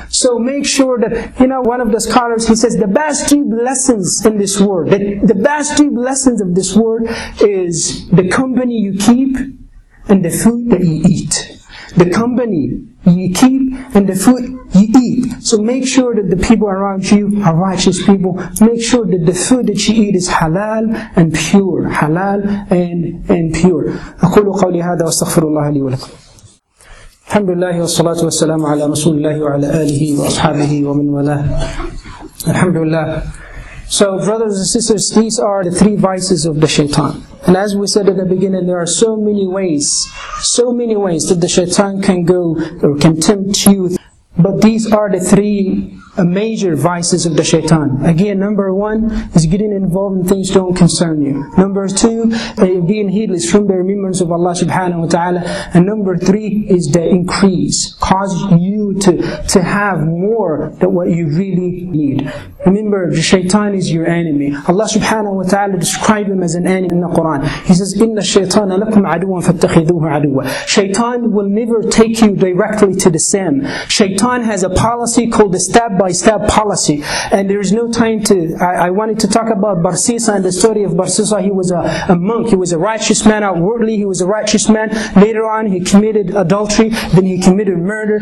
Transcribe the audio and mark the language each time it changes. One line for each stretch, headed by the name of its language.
English: So make sure that, you know, one of the scholars, he says, the best 2 blessings in this world, the best 2 blessings of this world is the company you keep and the food that you eat. The company you keep and the food you eat. So make sure that the people around you are righteous people. Make sure that the food that you eat is halal and pure. Halal and pure.
Arabic: أقول قولي هذا واستغفر الله لي ولكم. الحمد لله والصلاة والسلام على رسول الله وعلى آله وأصحابه ومن والاه. الحمد لله.
English: So brothers and sisters, these are the 3 vices of the shaitan. And as we said at the beginning, there are so many ways that the shaitan can go or can tempt you. But these are the 3 major vices of the shaitan. Again, number 1 is getting involved in things don't concern you. Number 2, being heedless from the remembrance of Allah subhanahu wa ta'ala. And number 3 is the increase, cause you to have more than what you really need. Remember, the shaitan is your enemy. Allah subhanahu wa ta'ala describe him as an enemy in the Quran. He says,
Arabic: إِنَّ الشَّيْطَانَ لَكُمْ عَدُوًا فَاتَّخِذُوهُ عَدُوًا.
English: Shaitan will never take you directly to the sin. Shaitan has a policy called the step-by-step policy. And there is no time to... I wanted to talk about Barsisa and the story of Barsisa. He was a monk. He was a righteous man. Outwardly, he was a righteous man. Later on, he committed adultery. Then he committed murder.